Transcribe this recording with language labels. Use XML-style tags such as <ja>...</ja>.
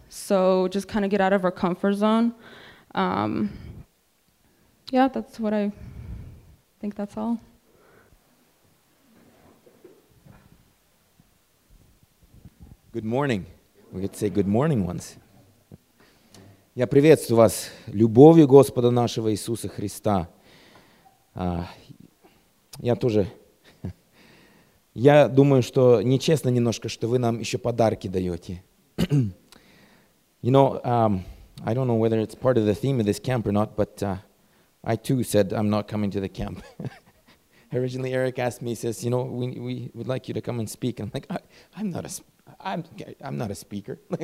<en>So just kind of get out of our comfort zone. That's what I think. That's all. Good morning. We could say good morning once.</en> <ru>Я приветствую вас любовью Господа нашего Иисуса Христа. Я тоже. Я думаю, что нечестно немножко, что вы нам еще подарки даете.</ru> <en>I don't know whether it's part of the theme of this camp or not, but I too said I'm not coming to the camp. originally Eric asked me, he says, you know, we would like you to come and speak. And I'm like, I'm not a speaker.</en>